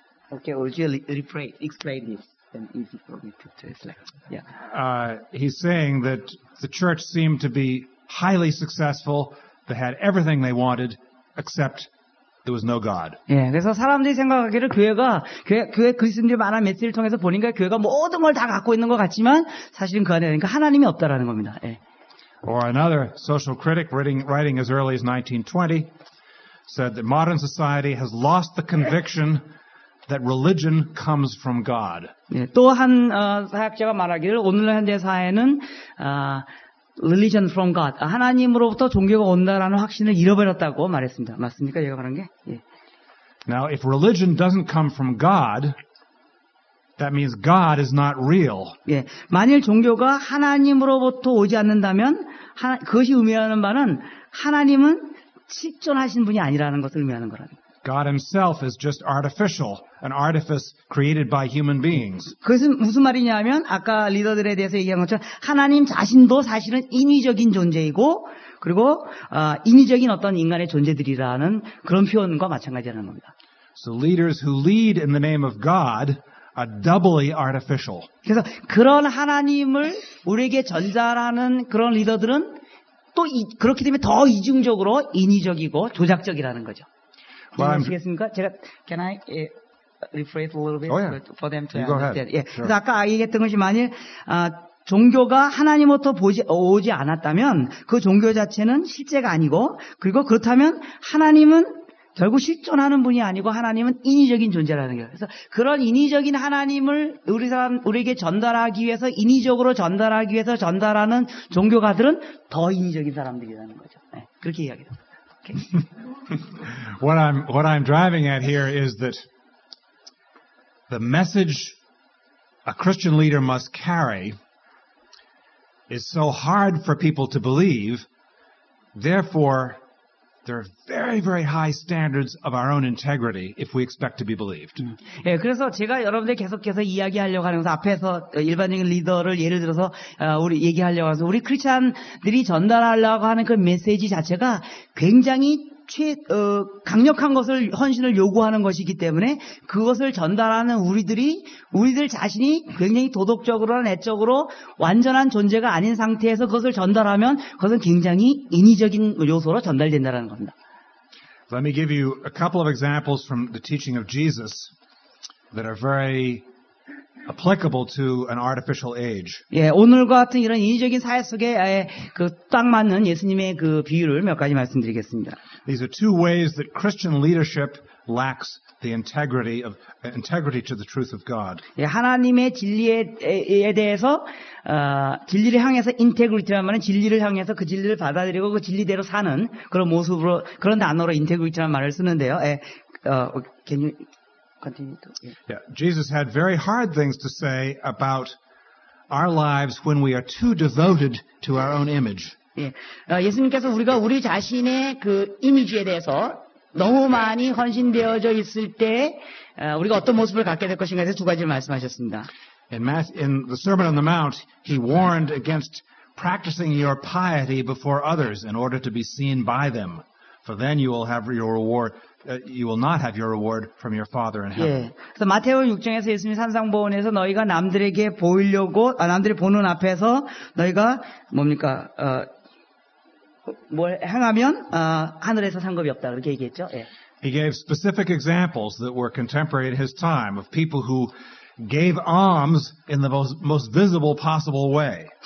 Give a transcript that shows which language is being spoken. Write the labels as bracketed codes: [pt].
[en] Okay, would you explain this? Then easy for me to translate. Yeah. He's saying that the church seemed to be highly successful. They had everything they wanted, except there was no God. [ko] 예, 그래서 사람들이 생각하기를 교회 그리스도인들이 말한 메시지를 통해서 보니까 교회가 모든 걸 다 갖고 있는 것 같지만 사실은 그 안에 그러니까 하나님이 없다라는 겁니다. 예. [en] Or another social critic writing as early as 1920 said that modern society has lost the conviction. That religion comes from God. [ko] 예, 또 한 사학자가 말하기를 오늘날 현대 사회는 [en] religion from God, [ko] 하나님으로부터 종교가 온다라는 확신을 잃어버렸다고 말했습니다. 맞습니까? 제가 그런 게? 예. [en] Now, if religion doesn't come from God, that means God is not real. [ko] 예, 만일 종교가 하나님으로부터 오지 않는다면 그것이 의미하는 바는 하나님은 실존하신 분이 아니라는 것을 의미하는 거라는 거예요. [en] God Himself is just artificial, an artifice created by human beings. [ko] 그것은 무슨 말이냐면 아까 리더들에 대해서 얘기한 것처럼 하나님 자신도 사실은 인위적인 존재이고 그리고 인위적인 어떤 인간의 존재들이라는 그런 표현과 마찬가지라는 겁니다. [en] So leaders who lead in the name of God are doubly artificial. [ko] 그래서 그런 하나님을 우리에게 전달하는 그런 리더들은 또 그렇기 때문에 더 이중적으로 인위적이고 조작적이라는 거죠. Well, 아시겠습니까? [en] 제가 can I rephrase a little bit oh, yeah. for them to you understand. Go ahead. Yeah. Sure. [ko] 그래서 아까 얘기했던 것이 만일 종교가 하나님으로부터 오지 않았다면 그 종교 자체는 실제가 아니고 그리고 그렇다면 하나님은 결국 실존하는 분이 아니고 하나님은 인위적인 존재라는 거예요. 그래서 그런 인위적인 하나님을 우리에게 전달하기 위해서 인위적으로 전달하기 위해서 전달하는 종교가들은 더 인위적인 사람들이라는 거죠. 네. 그렇게 이야기해요. [en] What I'm driving at here is that the message a Christian leader must carry is so hard for people to believe, therefore there are very, very high standards of our own integrity if we expect to be believed. [ko] 예, 그래서 제가 여러분들 계속해서 이야기하려고 하는 것은 앞에서 일반적인 리더를 예를 들어서 우리 얘기하려고 해서 우리 크리스천들이 전달하려고 하는 그 메시지 자체가 굉장히 강력한 것을 헌신을 요구하는 것이기 때문에 그것을 전달하는 우리들 자신이 굉장히 도덕적으로나 내적으로 완전한 존재가 아닌 상태에서 그것을 전달하면 그것은 굉장히 인위적인 요소로 전달된다는 겁니다. [en] Let me give you a couple of examples from the teaching of Jesus that are very applicable to an artificial age. [ko] 예, 오늘과 같은 이런 인위적인 사회 속에 그 딱 맞는 예수님의 그 비유를 몇 가지 말씀드리겠습니다. [en] These are two ways that Christian leadership lacks the integrity to the truth of God. [ko] 예, 하나님의 진리에 대해서 진리를 향해서 integrity라는 말은 진리를 향해서 그 진리를 받아들이고 그 진리대로 사는 그런 모습으로 그런 단어로 integrity라는 말을 쓰는데요. [en] 예, can you Yeah, Jesus had very hard things to say about our lives when we are too devoted to our own image. [ko] 예수님께서 우리가 우리 자신의 그 이미지에 대해서 너무 많이 헌신되어져 있을 때 우리가 어떤 모습을 갖게 될 것인가에 대해서 두 가지를 말씀하셨습니다. [en] In the Sermon on the Mount, he warned against practicing your piety before others in order to be seen by them. For then you will have your reward. You will not have your reward from your Father in heaven. [ko] 예. 그래서 마태오 6장에서 예수님이 산상보훈에서 너희가 남들에게 보이려고 남들이 보는 앞에서 너희가 뭡니까 뭘 행하면 하늘에서 상급이 없다 그렇게 얘기했죠. 예. [en] He gave specific examples that were contemporary in his time of people who gave alms in the most visible possible way.